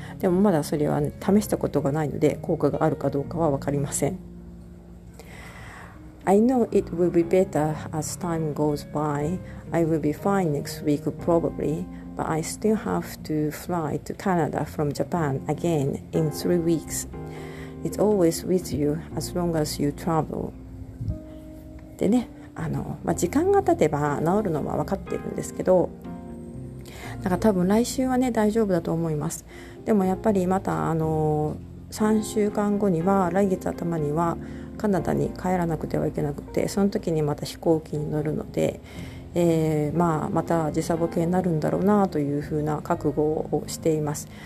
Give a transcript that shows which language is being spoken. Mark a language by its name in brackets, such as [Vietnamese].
[Japanese] でもまだそれは、ね、試したことがないので効果があるかどうかは分かりません。 [English] I know it will be better as time goes by. I will be fine next week probably, but I still have to fly to Canada from Japan again in 3 weeks. It's always with you as long as you travel. [Japanese] でね、まあ、時間が経てば治るのは分かってるんですけど、なんか多分来週はね大丈夫だと思います。でもやっぱりまた3週間後には来月頭にはカナダに帰らなくてはいけなくて、その時にまた飛行機に乗るので、まあまた時差ボケになるんだろうなというふうな覚悟をしています。